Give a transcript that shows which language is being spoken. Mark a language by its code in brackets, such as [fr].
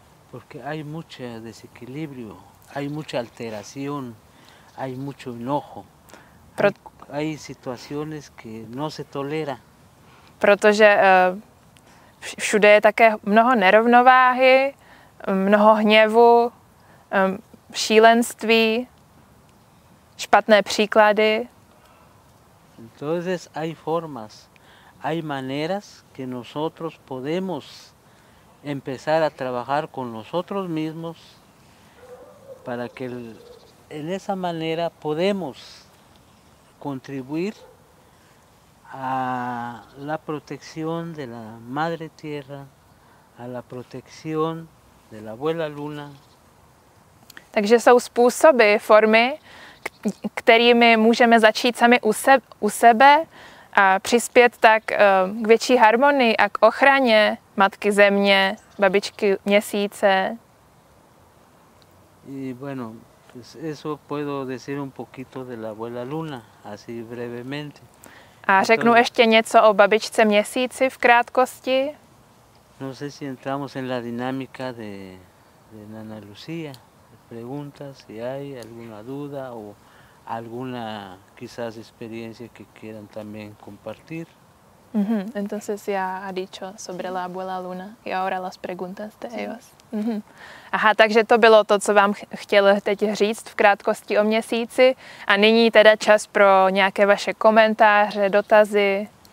[es] Porque hay mucho desequilibrio, hay mucha alteración, hay mucho enojo. Hay situaciones que no se tolera. [cs] Protože všude je také mnoho nerovnováhy, mnoho hněvu, šílenství, špatné příklady. [es] Entonces hay formas, hay maneras que nosotros podemos empezar a trabajar con nosotros mismos para que en esa manera podemos contribuir a la protección de la madre tierra, a la protección de la abuela luna. [cs] Takže jsou způsoby, formy, kterými můžeme začít sami u sebe a přispět tak k větší harmonii a k ochraně matky země, babičky měsíce. [es] Y bueno, pues eso puedo decir un poquito de la abuela luna, así brevemente. [cs] A řeknu ještě něco o babičce měsíci v krátkosti. [es] No sé si entramos en la dinámica de Nana Lucía. Preguntas, si hay alguna duda o alguna quizás experiencia que quieran también compartir. Entonces ya ha dicho sobre la abuela Luna y ahora las preguntas de ellos. [cs] Aha, takže to bylo to, co vám chtěl teď říct v krátkosti o měsíci. A nyní teda čas pro nějaké vaše komentáře, dotazy.